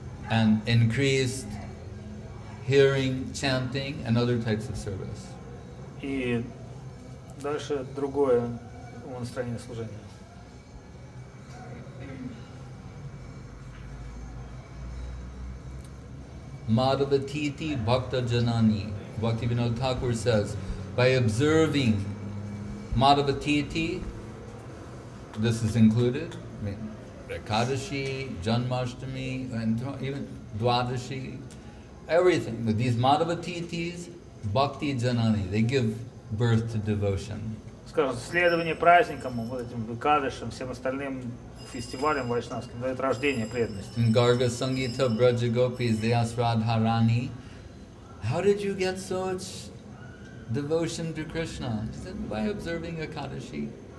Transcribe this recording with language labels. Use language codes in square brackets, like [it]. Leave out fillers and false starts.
[en] And increased hearing, chanting, and other types of service. [ru] И дальше другое настроение служения. [sa] Madhavatiti Bhakta Janani. [en] Bhaktivinoda Thakur says, by observing Madhavatiti, this is included, I mean, Ekadashi, Janmashtami, and even Dwadashi, everything. But these Madhavatitis, Bhakti Janani, they give birth to devotion. [ru] Скажем, следование праздникам, вот этим Экадашам, всем остальным фестивалям вайшнавским дает рождение преданности. [en] Гарга Сангита Браджа Гопис, they ask Радхарани, how did you get such devotion to Krishna? He said, by observing Экадаши.